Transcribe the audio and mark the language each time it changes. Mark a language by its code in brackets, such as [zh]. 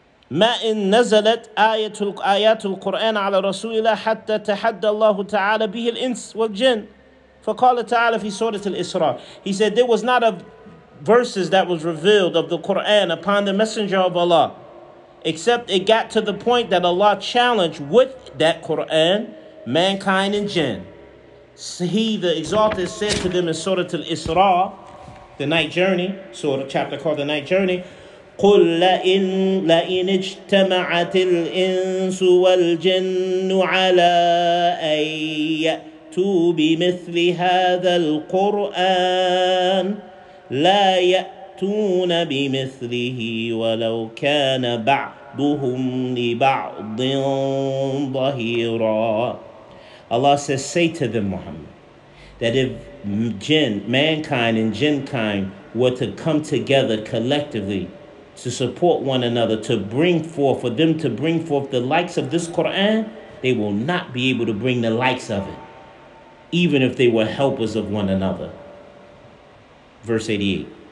[ar] ما إن نزلت آية آيات القرآن على رسول الله حتى تحدى الله تعالى به الإنس والجن فقال تعالى في سورة الإسراء. [en] He said there was not a verses that was revealed of the Quran upon the Messenger of Allah except it got to the point that Allah challenged with that Quran mankind and jinn. So he, the Exalted, said to them in [ar] سورة الإسراء, [en] the night journey, sort of chapter called the night journey, [ar] قُلْ لَئِنْ اجْتَمَعَتِ الْإِنسُ وَالْجِنُّ عَلَىٰ أَنْ يَأْتُوا بِمِثْلِ هَذَا الْقُرْآنِ لَا يَأْتُونَ بِمِثْلِهِ وَلَوْ كَانَ بَعْضُهُمْ لِبَعْضٍ ظَهِيرًا. [en] Allah says, say to them, Muhammad, that if jinn, mankind and jinnkind were to come together collectively to support one another, to bring forth, for them to bring forth the likes of this Quran, they will not be able to bring the likes of it, even if they were helpers of one another. Verse 88.